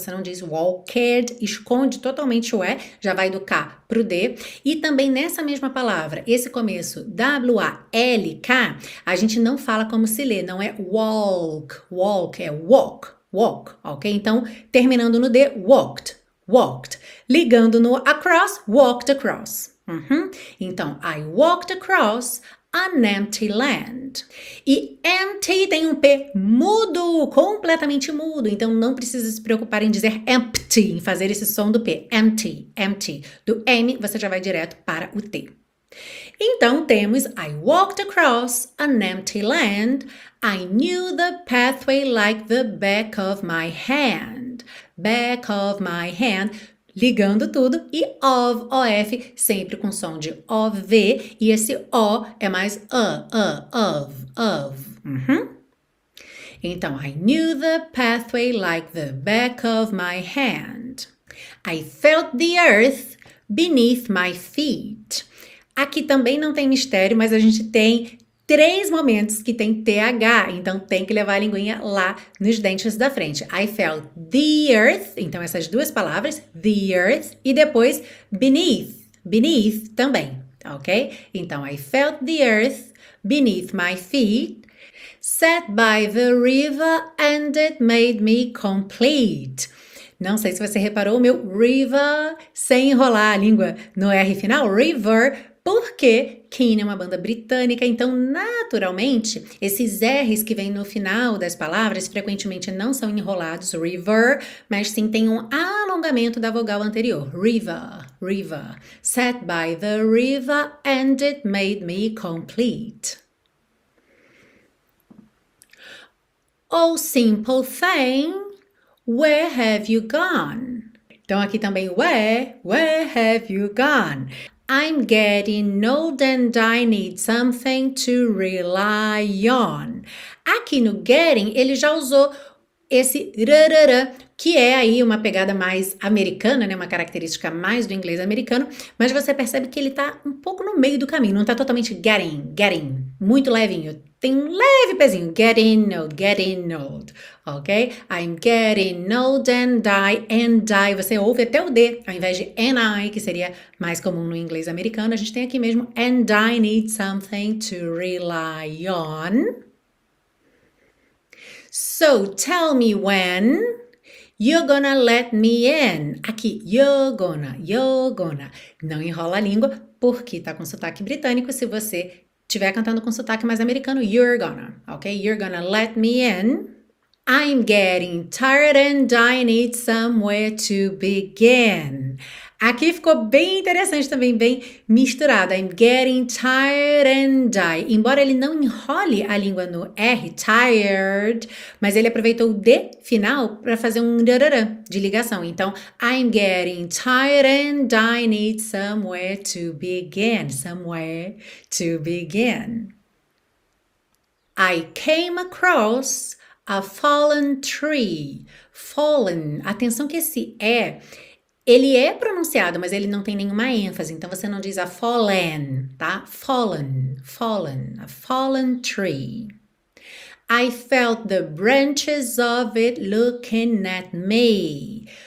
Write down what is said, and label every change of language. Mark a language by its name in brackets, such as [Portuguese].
[Portuguese] Você não diz walked, esconde totalmente o E, já vai do K pro D. E também nessa mesma palavra, esse começo, W-A-L-K, a gente não fala como se lê, não é walk, walk, é walk, walk, ok? Então, terminando no D, walked, walked. Ligando no across, [English] walked across. [Portuguese] Uhum. [English] Então, I walked across an empty land. [Portuguese] E empty tem um P mudo, completamente mudo. Então não precisa se preocupar em dizer empty, em fazer esse som do P. Empty, empty. Do M você já vai direto para o T. [English] Então temos I walked across an empty land. I knew the pathway like the back of my hand. Back of my hand. [Portuguese] Ligando tudo, e of, of, sempre com som de ov, e esse o é mais of, of. Uhum. [English] Então, I knew the pathway like the back of my hand. I felt the earth beneath my feet. [Portuguese] Aqui também não tem mistério, mas a gente tem três momentos que tem TH, então tem que levar a linguinha lá nos dentes da frente. [English] I felt the earth, [Portuguese] então essas duas palavras, the earth, e depois beneath, beneath também, ok? [English] Então, I felt the earth beneath my feet, sat by the river and it made me complete. [Portuguese] Não sei se você reparou o meu river sem enrolar a língua no R final, river. Porque Keane é uma banda britânica, então naturalmente esses R's que vêm no final das palavras frequentemente não são enrolados, river, mas sim tem um alongamento da vogal anterior, river, river. [English] Sat by the river and it made me complete. Oh, simple thing, where have you gone? [Portuguese] Então aqui também, [English] where have you gone? I'm getting old and I need something to rely on. [Portuguese] Aqui no getting, ele já usou esse rarara, que é aí uma pegada mais americana, né? Uma característica mais do inglês americano, mas você percebe que ele tá um pouco no meio do caminho, não tá totalmente getting, getting, muito levinho, tem um leve pezinho, [English] getting old, [Portuguese] ok? [English] I'm getting old and I, [Portuguese] você ouve até o D, ao invés de [English] and I, que seria mais comum no inglês americano, a gente tem aqui mesmo, and I need something to rely on. So tell me when you're gonna let me in. Aqui, you're gonna. [Portuguese] Não enrola a língua, porque tá com sotaque britânico. Se você estiver cantando com sotaque mais americano, [English] you're gonna, [Portuguese] ok? [English] You're gonna let me in. I'm getting tired and I need somewhere to begin. [Portuguese] Aqui ficou bem interessante também, bem misturado. [English] I'm getting tired and die. [Portuguese] Embora ele não enrole a língua no R, tired, mas ele aproveitou o D final para fazer um rararã de ligação. [English] Então, I'm getting tired and I need somewhere to begin. Somewhere to begin. I came across a fallen tree. Fallen. [Portuguese] Atenção que esse E, ele é pronunciado, mas ele não tem nenhuma ênfase. Então você não diz a fallen, tá? [English] Fallen, fallen, a fallen tree. I felt the branches of it looking at me.